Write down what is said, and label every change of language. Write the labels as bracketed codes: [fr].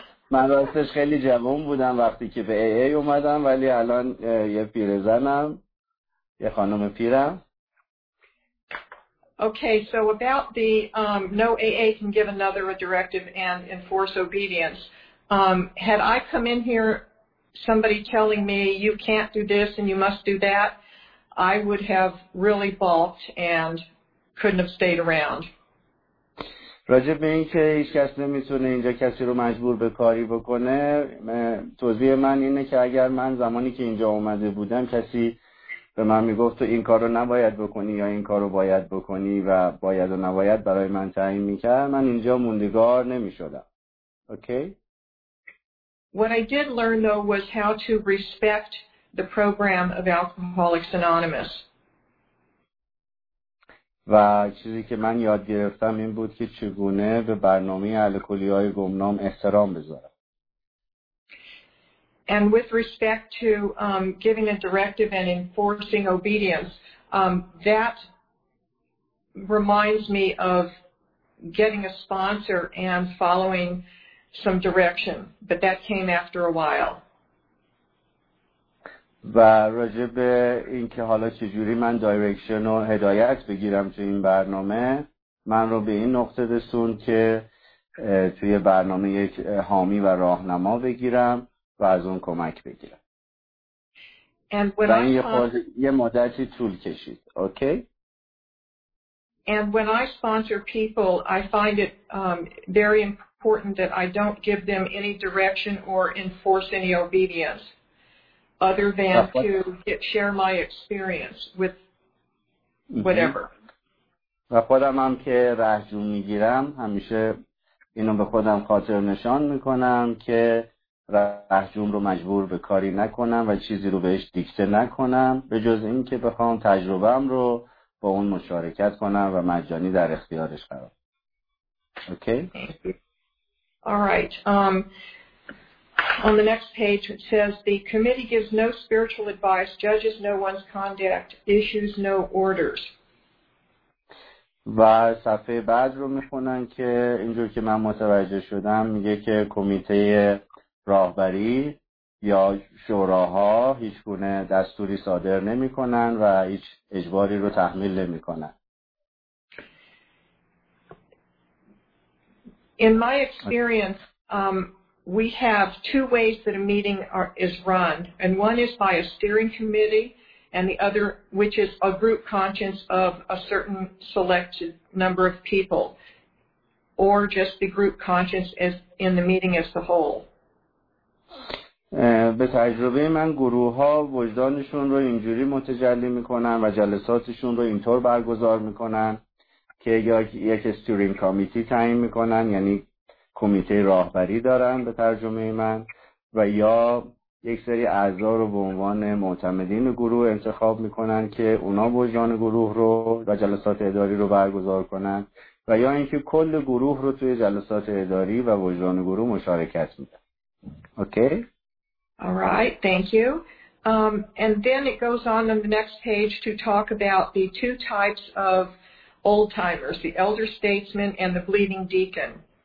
[fa] من راستش خیلی جوان بودم وقتی که به AA اومدم، ولی الان یه پیرزنم، یه خانم پیرم. [en] Okay, so about the no AA can give another a directive and enforce obedience. Had I come in here somebody telling me you can't do this and you must do that, I would have really balked and couldn't have stayed around. [fa] راجب این که هیچ کس نمیتونه اینجا کسی رو مجبور به کاری بکنه، توضیح من اینه که اگر من زمانی که اینجا اومده بودم کسی به من میگفت تو این کار رو نباید بکنی یا این کار رو باید بکنی و باید و نباید برای من تعیین میکرد، من اینجا موندگار نمیشدم. [en] Okay. What I did learn though was how to respect the program of Alcoholics Anonymous. [fa] و چیزی که من یاد گرفتم این بود که چگونه به برنامه الکلی‌های گمنام احترام بذارم. [en] And with respect to giving a directive and enforcing obedience, that reminds me of getting a sponsor and following some direction, but that came after a while. [fa] و راجع به این که حالا چجوری من دایرکشن و هدایت بگیرم توی این برنامه، من رو به این نقطه رسون که توی برنامه یک حامی و راهنما بگیرم و از اون کمک بگیرم. و این یه مدتی طول کشید. اوکی؟ [en] And when I sponsor people, I find it very important that I don't give them any direction or enforce any obedience other than to share my experience with whatever. [fa] و خودم هم که رهجو میگیرم همیشه اینو به خودم خاطر نشان میکنم که رهجوم رو مجبور به کاری نکنم و چیزی رو بهش دیکته نکنم به جز این که بخوام تجربه‌ام رو با اون مشارکت کنم و مجانی در اختیارش قرار. [en] Okay? All right. On the next page it says the committee gives no spiritual advice, judges no one's conduct, issues no orders. [fa] و صفحه بعد رو میخونن که اینجور که من متوجه شدم میگه که کمیته راهبری یا شوراها هیچ گونه دستوری صادر نمی کنن و هیچ اجباری رو تحمیل نمی کنن. [en] In my experience, we have two ways that a meeting is run, and one is by a steering committee, and the other, which is a group conscience of a certain selected number of people, or just the group conscience as in the meeting as the whole. [fa] به تجربه من گروه ها وجدانشون رو اینجوری متجلی میکنن و جلساتشون رو اینطور برگزار میکنن که یک استیرینگ کمیتی تعیین میکنن، یعنی کمیته راهبری دارن به ترجمه من، و یا یک سری اعضا رو به عنوان معتمدین گروه انتخاب میکنن که اونا وجدان گروه رو و جلسات اداری رو برگزار کنن، و یا اینکه کل گروه رو توی جلسات اداری و وجدان گروه مشارکت میدن. [en] Okay? All right, thank you. And then it goes on the next page to talk about the two types of old-timers, the elder statesman and the bleeding deacon.